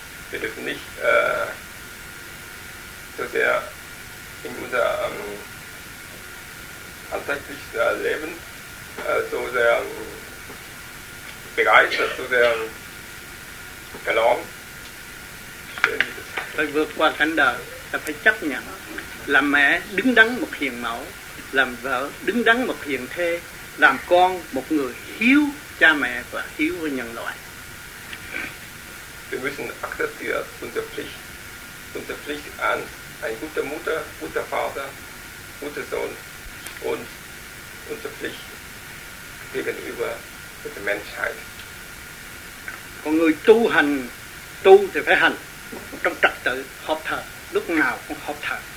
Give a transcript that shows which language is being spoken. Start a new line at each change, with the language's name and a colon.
German: Wir dürfen nicht so sehr in unser alltägliches Leben so sehr begeistert, so sehr verloren.
Vietnamese: Phải vượt qua cảnh đời, ta phải chấp nhận. Làm mẹ đứng đắn một hiền mẫu, làm vợ đứng đắn một hiền thê, làm con một người hiếu cha mẹ và hiếu với nhân loại.
German: Wir müssen akzeptieren unsere Pflicht an eine gute Mutter, guter Vater, guter Sohn und unsere Pflicht gegenüber der Menschheit.
Vietnamese: Con người tu hành, tu thì phải hành trong trật tự, hợp thờ, lúc nào cũng hợp thờ.